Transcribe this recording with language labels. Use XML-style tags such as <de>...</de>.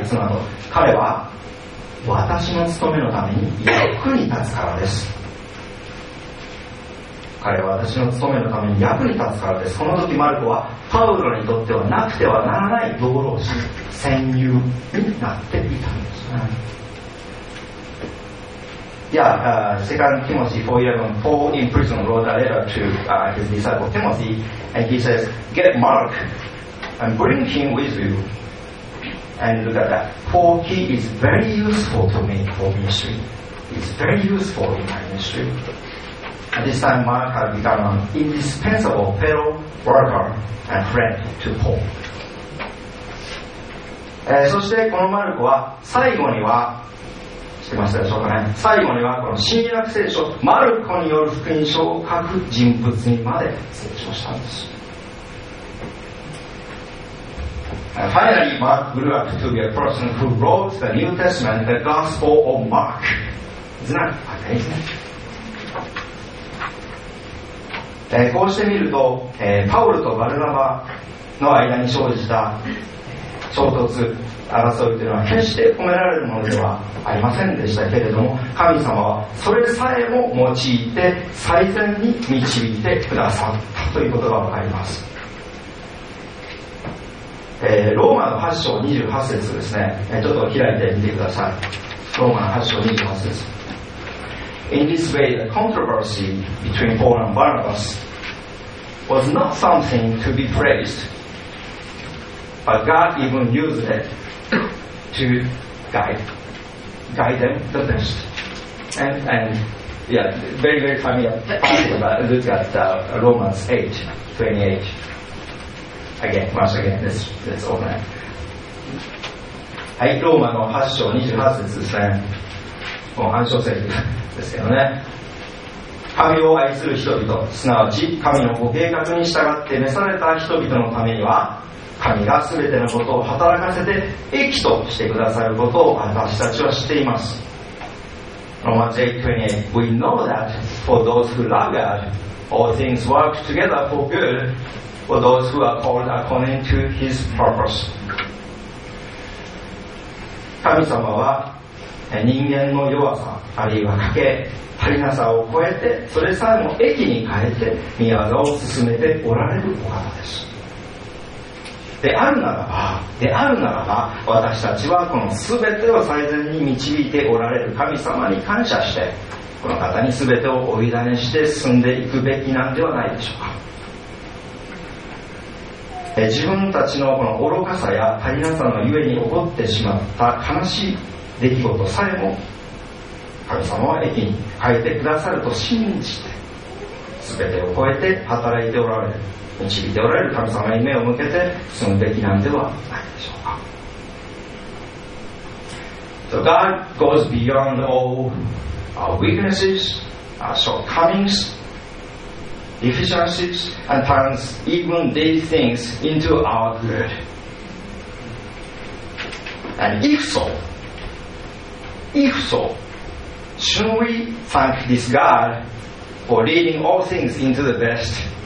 <ja>いつなど、彼は私の務めのために役に立つからです。彼は私の務めのために役に立つからです。この時マルコはパウロにとってはなくてはならない道路を戦友になっていたんですね。</ja> <en>2 Timothy 4, 11, Paul in prison wrote a letter to his disciple Timothy, and he says, get Mark and bring him with you. And look at that. Paul, he is very useful to me for ministry. He's very useful in my ministry. At this time, Mark had become an indispensable fellow worker and friend to Paul.</en> <ja>そしてこのマルコは最後には、知ってましたでしょうかね、最後にはこの新約聖書マルコによる福音書を書く人物にまで成長したんです。</ja> <en>Finally, Mark grew up to be a person who wrote the New Testament, the Gospel of Mark. Isn't that amazing?</en> <ja>こうしてみると、パウルとバルナバの間に生じた衝突争いというのは決して褒められるものではありませんでしたけれども、神様はそれさえも用いて最善に導いてくださったということがわかります。ローマの8章28節ですね、ちょっと開いてみてください。ローマの8章28節。</ja> <en>In this way, the controversy between Paul and Barnabas was not something to be praised, but God even used it to guide them the best. And very, very familiar. Look at Romans 8:28. Again, once again, let's open it.</en> <ja>はい、ローマの8章28節ですね。もう暗証整理ですけどね。神を愛する人々、すなわち神のご計画に従って召された人々のためには、神が全てのことを働かせて益としてくださることを私たちは知っています。</ja> <en>ローマ8:28 We know that for those who love God, all things work together for good for those who are called according to his purpose.</en> <ja>神様は人間の弱さ、あるいは欠け、足りなさを超えて、それさえも益に変えて、御業を進めておられるお方です。であるならば、私たちはこの全てを最善に導いておられる神様に感謝して、この方に全てをお委ねして進んでいくべきなんではないでしょうか。自分たちのこの愚かさや足りなさのゆえに起こってしまった悲しい出来事さえも神様は益に変えてくださると信じて、全てを超えて働いておられる、導いておられる神様に目を向けて進むべきなんではないでしょうか。</ja> <en>So God goes beyond all our weaknesses, our shortcomings, deficiencies, and turns even these things into our good. And if so, shouldn't we thank this God for leading all things into the best?</en>